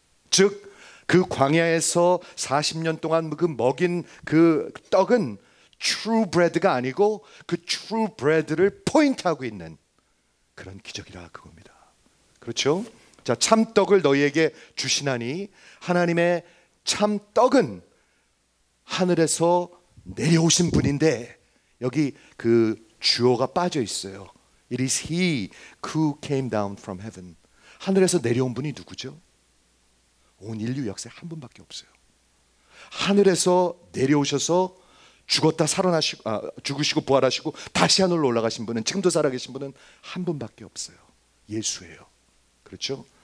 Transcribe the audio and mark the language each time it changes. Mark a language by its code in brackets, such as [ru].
[ko] 즉 그 광야에서 40년 동안 그 먹인 그 떡은 [en] true bread [ko] 가 아니고 그 true bread를 포인트하고 있는 그런 기적이라 그겁니다. 그렇죠? 자, 참떡을 너희에게 주시나니 하나님의 참떡은 하늘에서 내려오신 분인데 여기 그 주어가 빠져 있어요. [en] It is he who came down from heaven. [ko] 하늘에서 내려온 분이 누구죠? 온 인류 역사에 한 분밖에 없어요. 하늘에서 내려오셔서 죽었다 살아나시고 죽으시고 부활하시고 다시 하늘로 올라가신 분은 지금도 살아계신 분은 한 분밖에 없어요. 예수예요. 그렇죠?